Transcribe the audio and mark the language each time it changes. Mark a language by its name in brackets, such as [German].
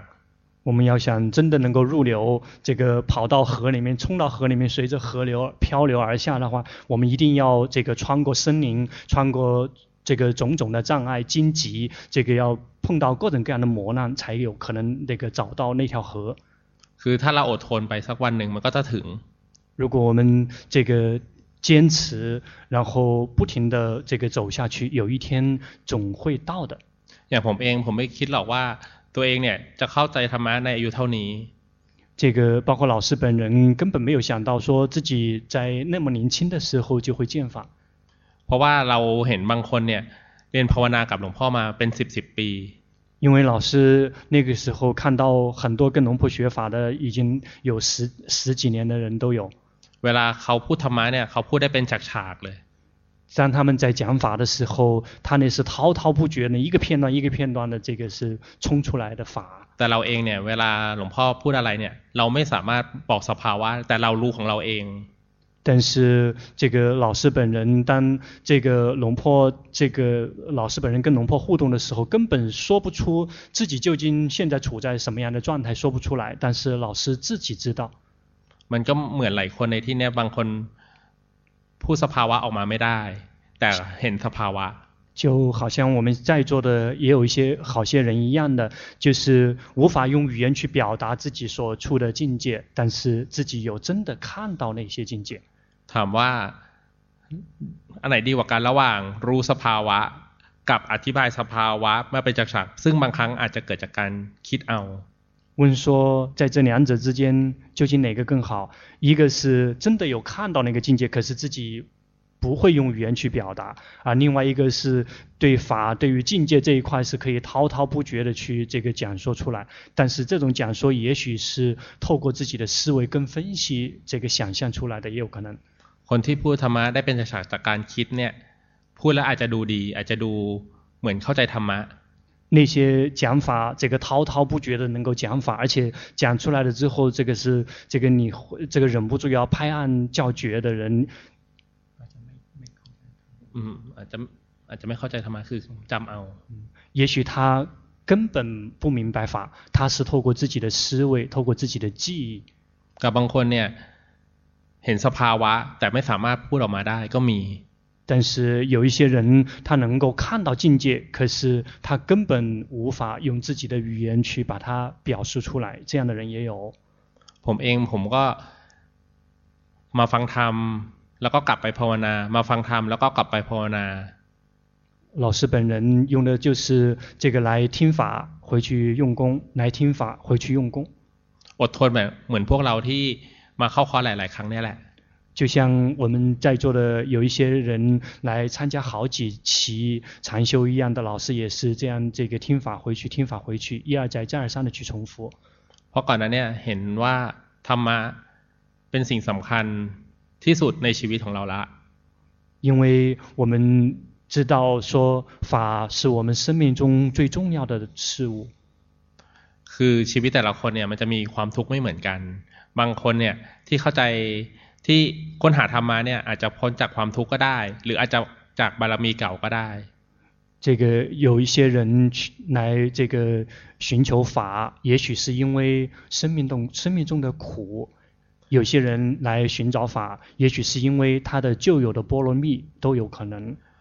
[Chinese] ๆ我们要想真的能够入流这个跑到河里面冲到河里面随着河流漂流而下的话我们一定要这个穿过森林穿过这个种种的障碍荆棘这个要碰到各种各样的磨难才有可能那个找到那条河 [Thai] คือถ้าเราอดทนไปสักวันหนึ่งมันก็จะถึง [Chinese] 如果我们这个坚持然后不停的这个走下去有一天总会到的 [Thai] อย่างผมเองผมไม่คิดหรอกว่าตัวเองเนี่ยจะเข้าใจธรรมะในอายุเท่านี้ [Chinese] 这个包括老师本人根本没有想到说自己在那么年轻的时候就会见法 [Thai] เพราะว่าเราเห็นบางคนเนี่ยเรียนภาวนากับหลวงพ่อมาเป็น10ปี [Chinese] 因为老师那个时候看到很多跟龙婆学法的已经有十几年的人都有 [Thai] เวลาเขาพูดธรรมะเนี่ยเขาพูดได้เป็นฉากๆเลย [Chinese] 当他们在讲法的时候他那是滔滔不绝的一个片段一个片段的这个是冲出来的法 [Thai] แต่เราเองเนี่ยเวลาหลวงพ่อพูดอะไรเนี่ยเราไม่สามารถบอกสภาวะแต่เรารู้ของเราเอง [Chinese] 但是这个老师本人当这个龙婆这个老师本人跟龙婆互动的时候根本说不出自己究竟现在处在什么样的状态说不出来但是老师自己知道 [Thai] มันก็เหมือนหลายคนในที่นี้บางคนพูดสภาวะออกมาไม่ได้แต่เห็นสภาวะ [Chinese] 就好像我们在座的也有一些好些人一样的就是无法用语言去表达自己所处的境界但是自己有真的看到那些境界 [Thai] ถามว่าอันไหนดีกว่ากันระหว่างรู้สภาวะกับอธิบายสภาวะเมื่อเป็นจักขุซึ่งบางครั้งอาจจะเกิดจากการคิดเอา [Chinese] 问说在这两者之间究竟哪个更好一个是真的有看到那个境界可是自己不会用语言去表达啊另外一个是对法对于境界这一块是可以滔滔不绝的去这个讲说出来但是这种讲说也许是透过自己的思维跟分析这个想象出来的也有可能 [Thai] คนที่พูดธรรมะได้เป็นจากการคิดเนี่ยพูดแล้วอาจจะดูดีอาจจะดูเหมือนเข้าใจธรรมะ [Chinese] 那些讲法这个滔滔不绝的能够讲法而且讲出来了之后这个是这个你这个忍不住要拍案叫绝的人 [Thai] อาจจะไม่เข้าใจธรรมะคือจำเอา [Chinese] 也许他根本不明白法他是透过自己的思维透过自己的记忆 [Thai] กับบางคนเนี่ยเห็นสภาวะแต่ไม่สามารถพูดออกมาได้ก็มี [Chinese] 但是有一些人他能够看到境界可是他根本无法用自己的语言去把它表述出来这样的人也有 [Thai] ผมเองผมก็มาฟังธรรมแล้วก็กลับไปภาวนามาฟังธรรมแล้วก็กลับไปภาวนา [Chinese] 老师本人用的就是这个来听法回去用功来听法回去用功 [Thai] อดทนเหมือนพวกเราที่มาเข้าคอร์สหลายๆครั้งนี่แหละ [Chinese] 就像我们在座的有一些人来参加好几期禅修一样的老师也是这样这个听法回去听法回去一而再再而三的去重复 [Thai] เพราะก่อนหน้านี้เห็นว่าธรรมะเป็นสิ่งสำคัญที่สุดในชีวิตของเราละ [Chinese] 因为我们知道说法是我们生命中最重要的事物 [Thai] คือชีวิตแต่ละคนเนี่ยมันจะมีความทุกข์ไม่เหมือนกันบางคนเนี่ยที่เข้าใจที่ค้นหาธรรมะเนี่ยอาจจะพ้นจากความทุกข์ก็ได้หรืออาจจะจากบารมีเก่าก็ได้ [Chinese] 这个有一些人来这个寻求法也许是因为生命中的苦有些人来寻找法也许是因为他的旧有的波罗蜜都有可能